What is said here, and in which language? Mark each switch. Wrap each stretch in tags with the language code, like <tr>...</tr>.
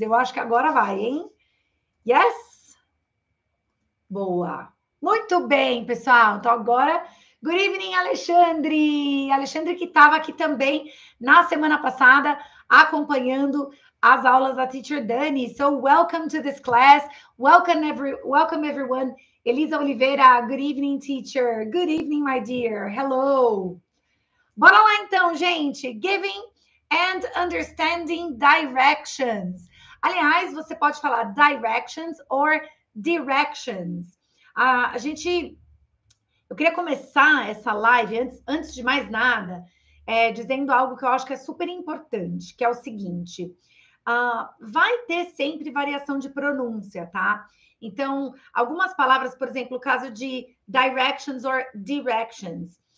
<pt>Eu acho que agora vai, hein? Yes? Boa! Muito bem, pessoal. Então agora,</pt> <en>good evening,</en> <pt>Alexandre! Alexandre que estava aqui também na semana passada acompanhando as aulas da Teacher Dani.</pt> <en>So, welcome to this class. Welcome everyone. Elisa Oliveira, good evening, teacher. Good evening, my dear. Hello.</en> <pt>Bora lá então, gente.</pt> <en>Giving and understanding directions.</en> <pt>Aliás, você pode falar</pt> <en>directions or directions.</en> <pt>A gente. Eu queria começar essa live, antes de mais nada, dizendo algo que eu acho que é super importante, que é o seguinte. Vai ter sempre variação de pronúncia, tá? Então, algumas palavras, por exemplo, o caso de</pt> <en>directions or directions.</en>